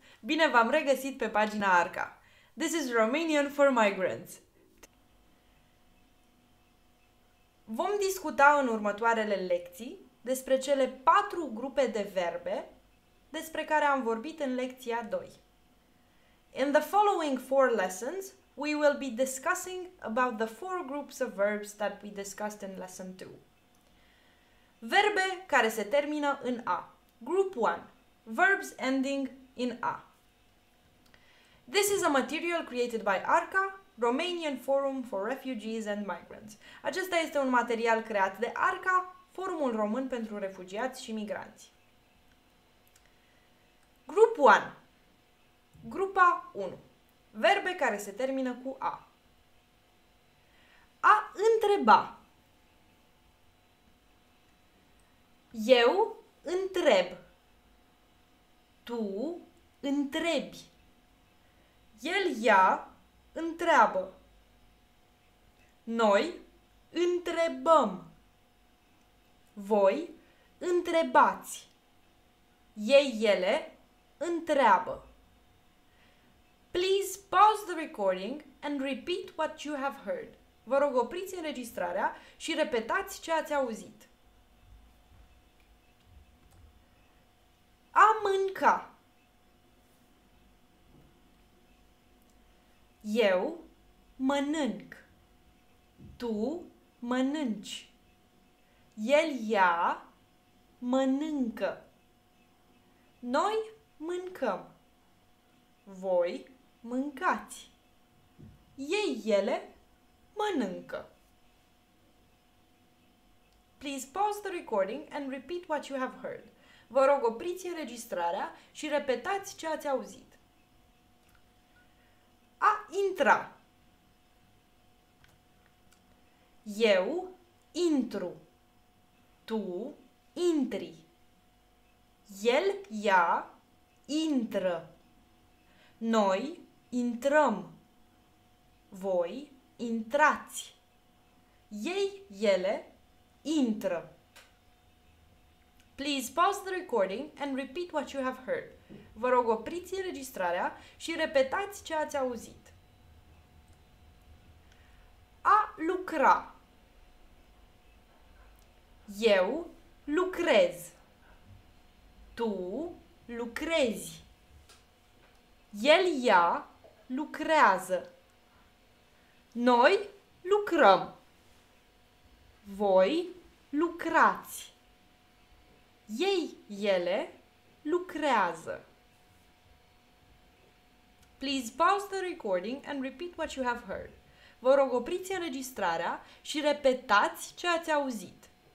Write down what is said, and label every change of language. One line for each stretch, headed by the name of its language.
Romanian: Bine v-am regăsit pe pagina Arca.
English: This is Romanian for Migrants.
Romanian: Vom discuta în următoarele lecții despre cele patru grupe de verbe despre care am vorbit în lecția 2.
English: In the following four lessons, we will be discussing about the four groups of verbs that we discussed in lesson 2.
Romanian: Verbe care se termină în A.
English: Group 1. Verbs ending in A. This is a material created by ARCA, Romanian Forum for Refugees and Migrants.
Romanian: Acesta este un material creat de ARCA, Forumul Român pentru Refugiați și Migranți.
English: Group 1.
Romanian: Grupa 1. Verbe care se termină cu A. A întreba. Eu întreb. Tu întrebi. El, ea întreabă. Noi întrebăm. Voi întrebați. Ei, ele întreabă.
English: Please pause the recording and repeat what you have heard.
Romanian: Vă rog, opriți înregistrarea și repetați ce ați auzit. A mânca. Eu mănânc. Tu mănânci. El, ea mănâncă. Noi mâncăm. Voi mâncați. Ei, ele mănâncă.
English: Please pause the recording and repeat what you have heard.
Romanian: Vă rog, opriți înregistrarea și repetați ce ați auzit. A intra. Eu intru. Tu intri. El, ea intră. Noi intrăm. Voi intrați. Ei, ele intră.
English: Please pause the recording and repeat what you have heard.
Romanian: Vă rog, opriți înregistrarea și repetați ce ați auzit. A lucra. Eu lucrez. Tu lucrezi. El, ea lucrează. Noi lucrăm. Voi lucrați. Ei, ele lucrează.
English: Please pause the recording and repeat what you have heard.
Romanian: Vă rog, opriți înregistrarea și repetați ce ați auzit.